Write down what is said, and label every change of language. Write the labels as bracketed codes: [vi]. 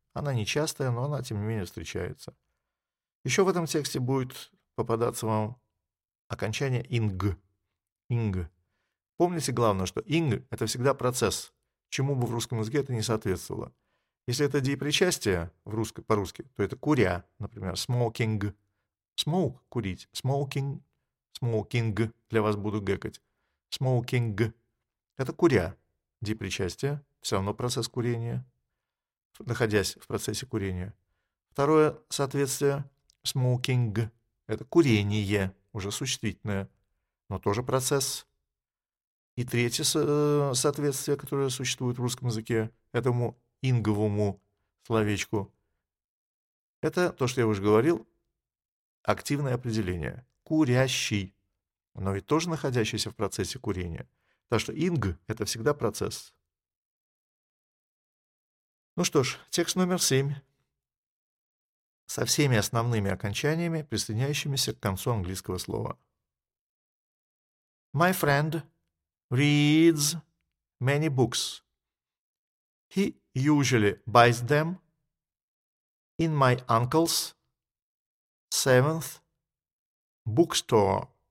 [ru] Она не частая, но она, тем не менее, встречается. Еще в этом тексте будет попадаться вам окончание «ing». «Ing». Помните главное, что «ing» — это всегда процесс, чему бы в русском языке это не соответствовало. Если это деепричастие в русском, по-русски, то это «куря», например, «smoking». «Smoke» — «курить», «smoking». «Смокинг» для вас буду гэкать. «Смокинг» — это «куря». Депричастие — все равно процесс курения, находясь в процессе курения. Второе соответствие — «смокинг» — это «курение», уже существительное, но тоже процесс. И третье соответствие, которое существует в русском языке, этому инговому словечку, это то, что я уже говорил, активное определение — курящий, но ведь тоже находящийся в процессе курения. Так что «ing» — это всегда процесс. Ну что ж, текст номер 7. Со всеми основными окончаниями, присоединяющимися к концу английского слова. [en] My friend reads many books. He usually buys them in my uncle's 7th bookstore.